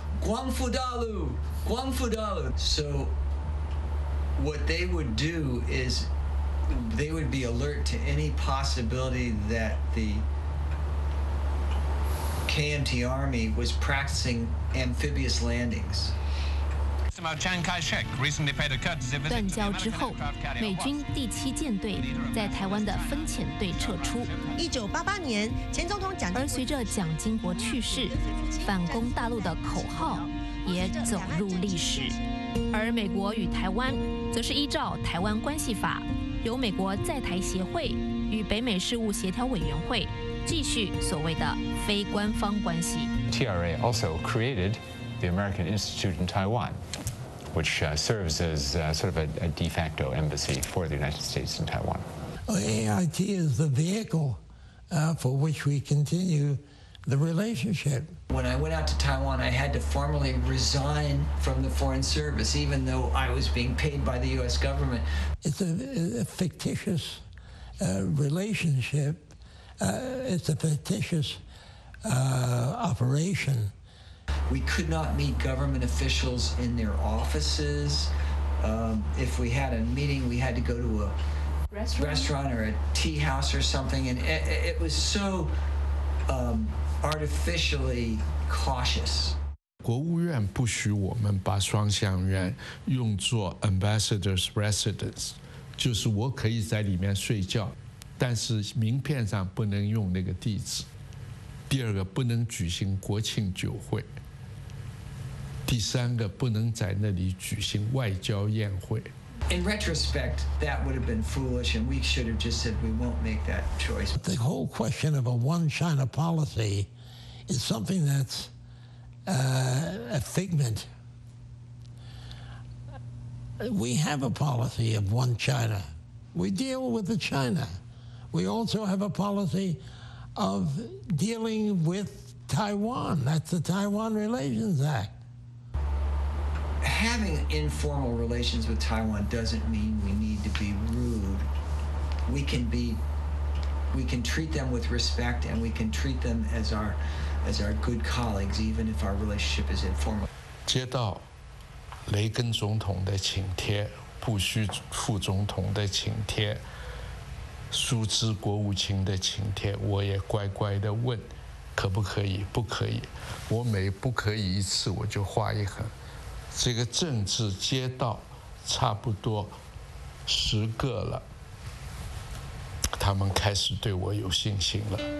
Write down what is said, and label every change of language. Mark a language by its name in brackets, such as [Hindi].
[Chinese] Guangfu Dalu! Guangfu Dalu! [English] So what they would do is they would be alert to any possibility that the KMT Army was practicing amphibious landings. [Chinese] 断交之后，美军第七舰队在台湾的分遣队撤出。 1988年，前总统蒋，而随着蒋经国去世，反攻大陆的口号也走入历史。而美国与台湾，则是依照《台湾关系法》，由美国在台协会与北美事务协调委员会继续所谓的非官方关系。 [English] TRA also created the American Institute in Taiwan. Which serves as sort of a de facto embassy for the United States in Taiwan. AIT is the vehicle for which we continue the relationship. When I went out to Taiwan, I had to formally resign from the Foreign Service, even though I was being paid by the U.S. government. It's a fictitious relationship. It's a fictitious operation. We could not meet government officials in their offices. If we had a meeting, we had to go to a restaurant or a tea house or something. And it was so artificially cautious. [Chinese] 国务院不许我们把双向院用作 [English] ambassador's residence， [Chinese] 就是我可以在里面睡觉，但是名片上不能用那个地址。第二个，不能举行国庆酒会。第三个不能在那里举行外交宴会。 [English] In retrospect, that would have been foolish, and we should have just said we won't make that choice. The whole question of a one China policy is something that's a figment. We have a policy of one China. We deal with the China. We also have a policy of dealing with Taiwan. That's the Taiwan Relations Act. Having informal relations with Taiwan doesn't mean we need to be rude. We can treat them with respect, and we can treat them as our good colleagues, even if our relationship is informal. [Chinese] 接到雷根总统的请帖，布什副总统的请帖，苏兹国务卿的请帖，我也乖乖的问，可不可以？不可以。我每不可以一次，我就画一横。这个政治街道差不多十个了，他们开始对我有信心了。